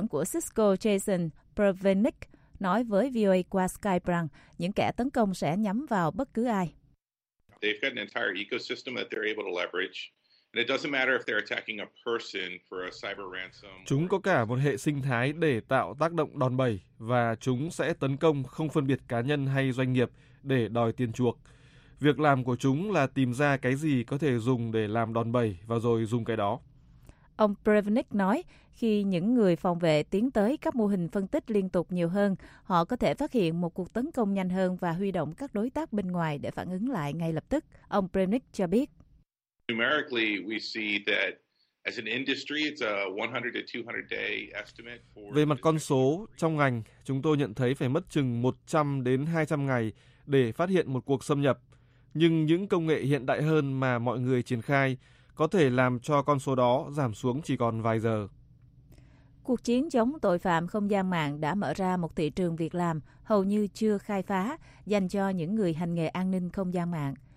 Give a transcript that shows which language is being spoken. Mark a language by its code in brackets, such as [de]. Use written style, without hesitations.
[vi] Kỹ sư trưởng của Cisco Jason Prevenick nói với VOA qua Skype rằng những kẻ tấn công sẽ nhắm vào bất cứ ai. [en] They've got an entire ecosystem that they're able to leverage. And it doesn't matter if they're attacking a person for a cyber ransom. [vi] Chúng có cả một hệ sinh thái để tạo tác động đòn bẩy và chúng sẽ tấn công không phân biệt cá nhân hay doanh nghiệp để đòi tiền chuộc. Việc làm của chúng là tìm ra cái gì có thể dùng để làm đòn bẩy và rồi dùng cái đó. Ông Prevenick nói, khi những người phòng vệ tiến tới các mô hình phân tích liên tục nhiều hơn, họ có thể phát hiện một cuộc tấn công nhanh hơn và huy động các đối tác bên ngoài để phản ứng lại ngay lập tức. Ông Prevenick cho biết. [en] Numerically, we see that as an industry, it's a 100 to 200 day estimate for. [vi] Về mặt con số, trong ngành, chúng tôi nhận thấy phải mất chừng 100 đến 200 ngày để phát hiện một cuộc xâm nhập. Nhưng những công nghệ hiện đại hơn mà mọi người triển khai có thể làm cho con số đó giảm xuống chỉ còn vài giờ. Cuộc chiến chống tội phạm không gian mạng đã mở ra một thị trường việc làm hầu như chưa khai phá dành cho những người hành nghề an ninh không gian mạng.